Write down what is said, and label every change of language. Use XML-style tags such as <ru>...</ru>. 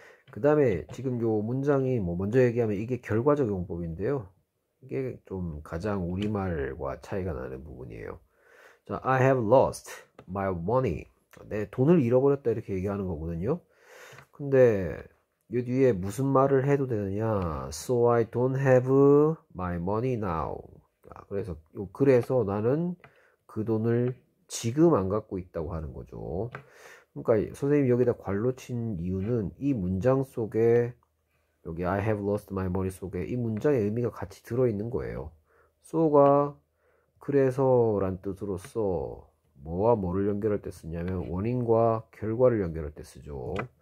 <ko>그 다음에 지금 요 문장이 뭐 먼저 얘기하면 이게 결과적 용법인데요. 이게 좀 가장 우리말과 차이가 나는 부분이에요.</ko> <en>자, I have lost my money.</en> <ko>내 돈을 잃어버렸다 이렇게 얘기하는 거거든요. 근데 요 뒤에 무슨 말을 해도 되느냐?</ko> <en>So I don't have my money now.</en> <ko>그래서 나는 그 돈을 지금 안 갖고 있다고 하는 거죠. 그러니까 선생님이 여기다 괄호 친 이유는 이 문장 속에, 여기</ko> <en>I have lost my money</en> <ko>속에 이 문장의 의미가 같이 들어있는 거예요. So가 그래서란 뜻으로써 뭐와 뭐를 연결할 때 쓰냐면 원인과 결과를 연결할 때 쓰죠.</ko>